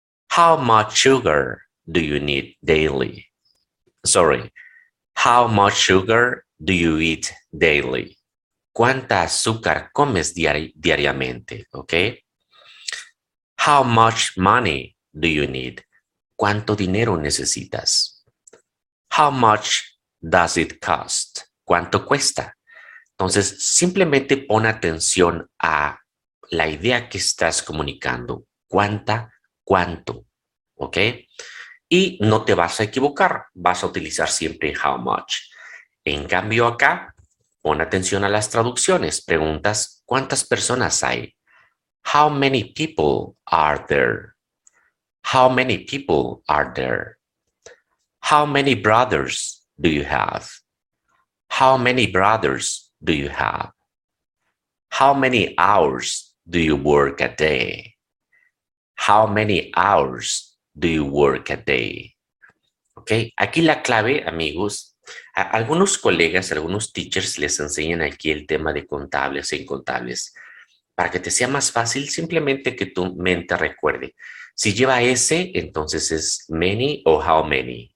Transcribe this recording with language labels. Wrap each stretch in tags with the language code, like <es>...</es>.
<en>How much sugar do you need daily? Sorry. How much sugar do you eat daily?</en> <es>¿Cuánta azúcar comes diariamente? ¿Ok?</es> <en>How much money do you need?</en> <es>¿Cuánto dinero necesitas?</es> <en>How much does it cost?</en> <es>¿Cuánto cuesta? Entonces, simplemente pon atención a la idea que estás comunicando. ¿Cuánta? ¿Cuánto? ¿Ok? Y no te vas a equivocar. Vas a utilizar siempre how much. En cambio, acá, pon atención a las traducciones. Preguntas, ¿cuántas personas hay?</es> <en>How many people are there? How many people are there? How many brothers do you have? How many brothers do you have? How many hours do you work a day? How many hours do you work a day?</en> <es>Okay, aquí la clave, amigos. A algunos colegas, a algunos teachers les enseñan aquí el tema de contables e incontables. Para que te sea más fácil, simplemente que tu mente recuerde. Si lleva S, entonces es many o how many.</es>